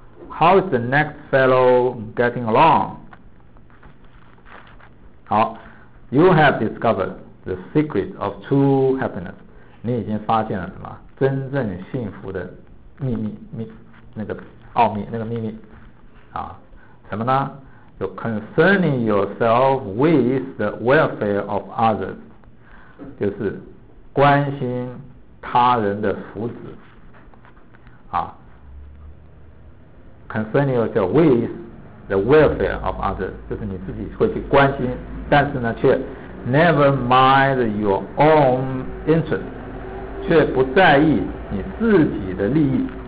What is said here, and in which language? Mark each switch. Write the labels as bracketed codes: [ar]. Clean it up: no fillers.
[en] How is the next fellow getting along? 好 ,You have discovered the secret of true happiness. [zh] 你已经发现了什么真正幸福的秘密那个奥秘那个秘密。啊什么呢 [en] ?You're concerning yourself with the welfare of others. [zh] 就是关心他人的福祉啊 [en] concerning yourself with the welfare of others [zh] 就是你自己会去关心但是呢却 [en] never mind your own interest [zh] 却不在意你自己的利益